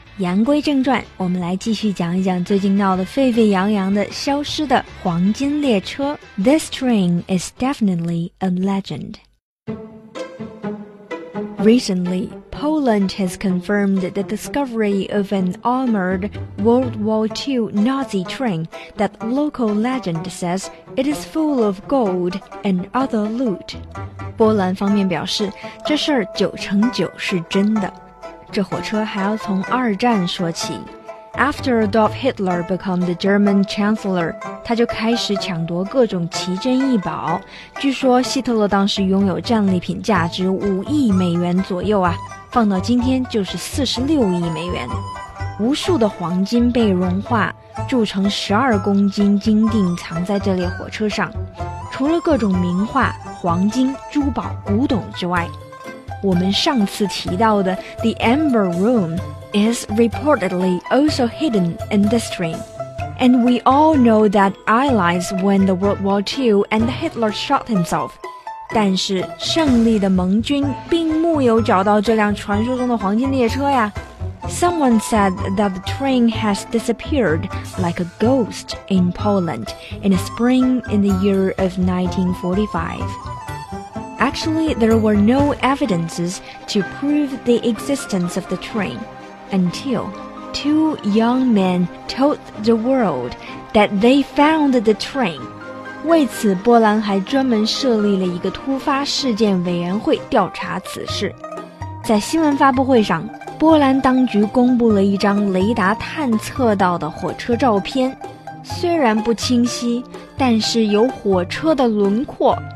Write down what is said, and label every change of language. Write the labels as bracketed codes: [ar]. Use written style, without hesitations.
[zh] 言归正传，我们来继续讲一讲最近闹得沸沸扬扬的消失的黄金列车。 [en] This train is definitely a legend. Recently, Poland has confirmed the discovery of an armored World War II Nazi train that local legend says it is full of gold and other loot. [zh] 波兰方面表示，这事儿九成九是真的。这火车还要从二战说起。 [en] After Adolf Hitler became the German Chancellor, [zh] 他就开始抢夺各种奇珍异宝。据说希特勒当时拥有战利品价值$5亿左右啊，放到今天就是$46亿。无数的黄金被融化，铸成12公斤金锭藏在这列火车上。除了各种名画、黄金、珠宝、古董之外，我们上次提到的 The Amber Room, [en] is reportedly also hidden in this train. And we all know that allies won the World War II and Hitler shot himself. [zh] 但是胜利的盟军并没有找到这辆传说中的黄金列车呀。 [en] Someone said that the train has disappeared like a ghost in Poland in the spring in the year of 1945. Actually, there were no evidences to prove the existence of the train. Until two young men told the world that they found the train. [zh] 为此，波兰还专门设立了一个突发事件委员会调查此事。在新闻发布会上，波兰当局公布了一张雷达探测到的火车照片，虽然不清晰，但是有火车的轮廓。